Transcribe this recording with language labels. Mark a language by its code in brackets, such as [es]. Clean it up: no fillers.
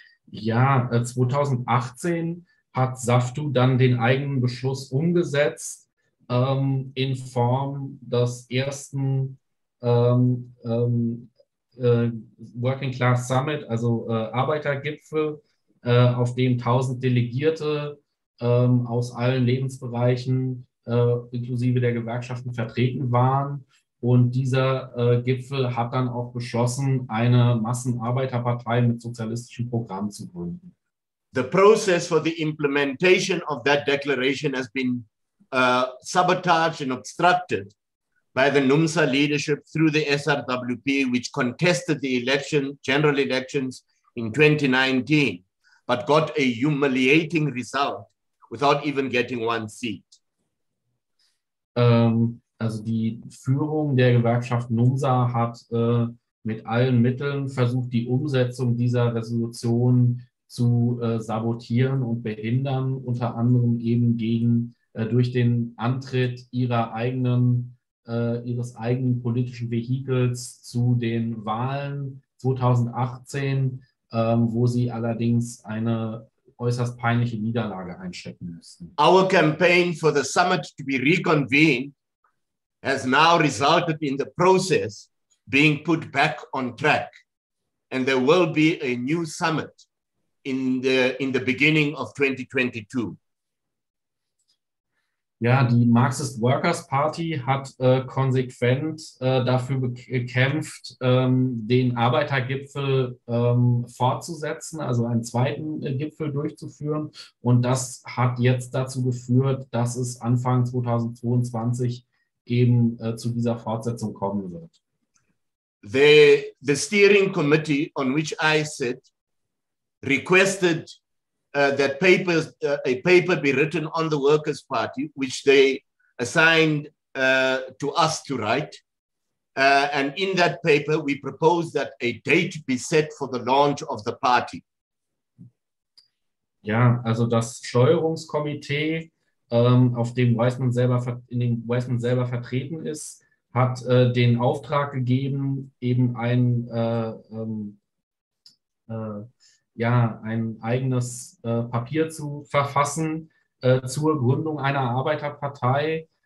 [de] Ja, 2018 hat SAFTU dann den eigenen Beschluss umgesetzt in Form des ersten Working Class Summit, also Arbeitergipfel, auf dem 1,000 Delegierte aus allen Lebensbereichen inklusive der Gewerkschaften vertreten waren. Und dieser Gipfel hat dann auch beschlossen, eine Massenarbeiterpartei mit sozialistischem Programm zu gründen. [en] The process for the implementation of that declaration has been sabotaged and obstructed by the NUMSA leadership through the SRWP, which contested the general elections in 2019, but got a humiliating result without even getting one seat. [de] Also die Führung der Gewerkschaft NUMSA hat mit allen Mitteln versucht, die Umsetzung dieser Resolution zu sabotieren und behindern, unter anderem eben durch den Antritt ihres eigenen politischen Vehikels zu den Wahlen 2018, wo sie allerdings eine äußerst peinliche Niederlage einstecken mussten. [en] Our campaign for the summit to be reconvened has now resulted in the process being put back on track. And there will be a new summit in the beginning of 2022. [de] Ja, die Marxist Workers Party hat konsequent dafür gekämpft, den Arbeitergipfel fortzusetzen, also einen zweiten Gipfel durchzuführen. Und das hat jetzt dazu geführt, dass es Anfang 2022 eben zu dieser Fortsetzung kommen wird. [en] The steering committee on which I sit requested that papers a paper be written on the Workers' Party, which they assigned to us to write. And in that paper, we proposed that a date be set for the launch of the party. [de] Ja, also das Steuerungskomitee, auf dem Weismann selber vertreten ist, hat den Auftrag gegeben, eben ein eigenes Papier zu verfassen zur Gründung einer Arbeiterpartei.